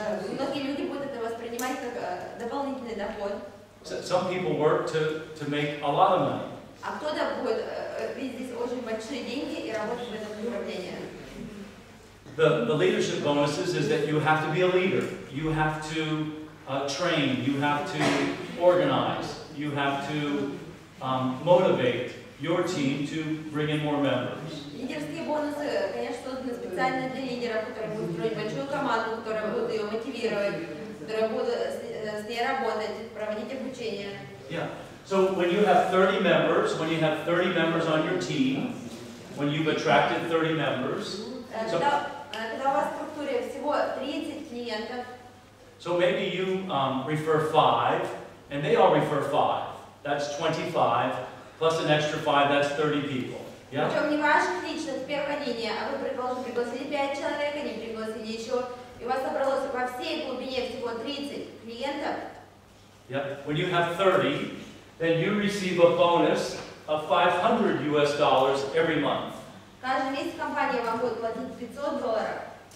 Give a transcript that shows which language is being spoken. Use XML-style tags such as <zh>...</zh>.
<ru>Многие люди будут это воспринимать как дополнительный доход.</ru> <en>So, some people work to make a lot of money.</en> <ru>А кто-то будет видеть здесь очень большие деньги и работать в этом направлении.</ru> <en>The leadership bonuses is that you have to be a leader. You have to train. You have to organize. You have to motivate your team to bring in more members.</en> <ru>Лидерские бонусы, конечно, созданы специально для лидеров, которые будут строить большую команду, которые будут ее мотивировать, которые будут с ней работать, проводить обучение.</ru> <en>Yeah. So when you have 30 members, when you have 30 members on your team, when you've attracted 30 members, so.</en> <ru>Когда у вас в структуре всего 30 клиентов.</ru> <en>So maybe you refer 5, and they all refer 5. That's 25, plus an extra 5, that's 30 people. Yeah?</en> <ru>Причем не ваше лично с первого дня, а вы, предположим, пригласили 5 человек, они пригласили еще, и у вас собралось во всей глубине всего 30 клиентов.</ru> <en>Yep. When you have 30, then you receive a bonus of $500 every month.</en> <ru>Каждый месяц компания вам будет платить $500.</ru>